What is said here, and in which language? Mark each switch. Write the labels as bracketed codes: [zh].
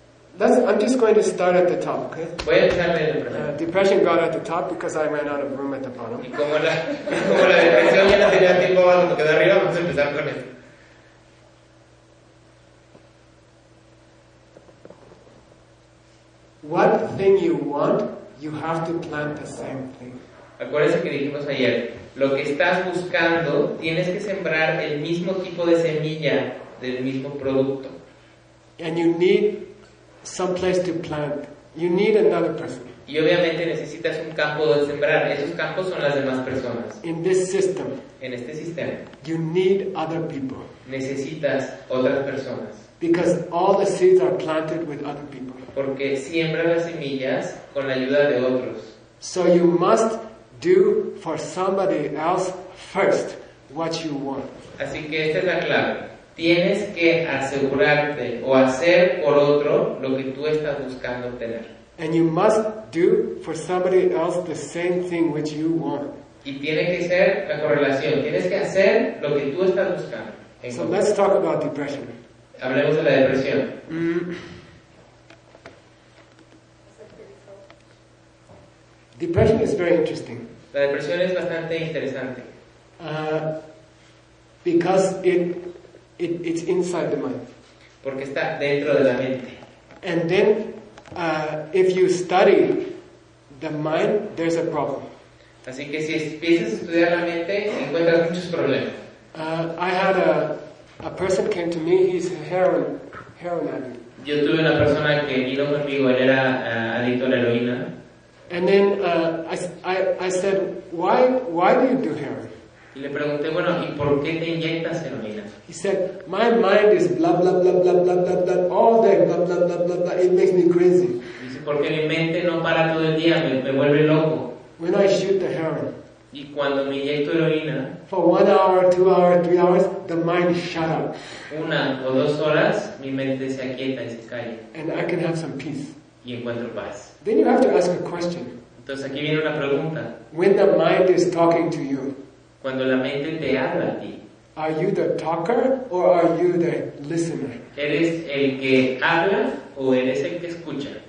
[en] I'm just going to start at the top, okay? [es] Voy a echarle el primero. [en] Depression got at the top because I ran out of room at the bottom. [es] Y como la depresión ya no tenía tiempo cuando quedé arriba, vamos a empezar con esto. [en] What thing you want, you have to plant the same thing. [es] Acuérdense que dijimos ayer, lo que estás buscando, tienes que sembrar el mismo tipo de semilla del mismo producto. [en] And you need some place to plant. You need another person. [es] Y obviamente necesitas un campo de sembrar. Esos campos son las demás personas. [en] In this system. [es] En este sistema. [en] You need other people. [es] Necesitas otras personas. [en] Because all the seeds are planted with other people. [es] Porque siembra las semillas con la ayuda de otros. [en] So you must do for somebody else first what you want. [es] Así que esta es la clave. Tienes que asegurarte o hacer por otro lo que tú estás buscando obtener. [en] And you must do for somebody else the same thing which you want. [es] Y tiene que ser la correlación. Tienes que hacer lo que tú estás buscando. [en] So let's talk about depression. [es] Hablemos de la depresión. [en] Depression is very interesting. [es] La depresión es bastante interesante. [en] Because it's inside the mind. [es] Porque está dentro de la mente. [en] And then, if you study the mind, there's a problem. [es] Así que si empiezas a estudiar la mente, encuentras muchos problemas. [en] I had a person came to me. He's a heroin addict. [es] Yo tuve una persona que vino conmigo. Él era adicto a la heroína. [en] And then I said, why do you do heroin? [es] Y le pregunté, bueno, ¿y por qué te inyectas heroína? [en] He said, my mind is blah blah blah blah blah blah blah all day blah blah blah blah blah. It makes me crazy. [es] Dice, porque mi mente no para todo el día, me vuelve loco. [en] When I shoot the heroin. [es] Y cuando me inyecto heroína. [en] For 1 hour, 2 hours, 3 hours, the mind shut up. [es] Una o dos horas, mi mente se aquieta y se calla. [en] And I can have some peace. [es] Y encuentro paz. [en] Then you have to ask a question. [es] Entonces aquí viene una pregunta. [en] When the mind is talking to you. [es] Cuando la mente te habla a ti. [en] Are you the talker or are you the listener? [es] ¿Eres el que habla o eres el que escucha?